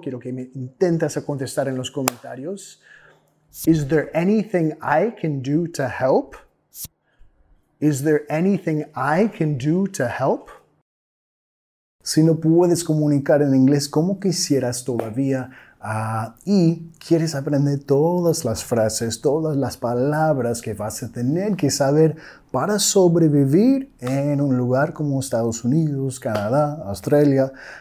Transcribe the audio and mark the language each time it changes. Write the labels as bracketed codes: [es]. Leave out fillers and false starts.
[es] Quiero que me intentes contestar en los comentarios. [en] Is there anything I can do to help? Is there anything I can do to help? [es] Si no puedes comunicar en inglés, ¿cómo quisieras todavía? Y quieres aprender todas las frases, todas las palabras que vas a tener que saber para sobrevivir en un lugar como Estados Unidos, Canadá, Australia.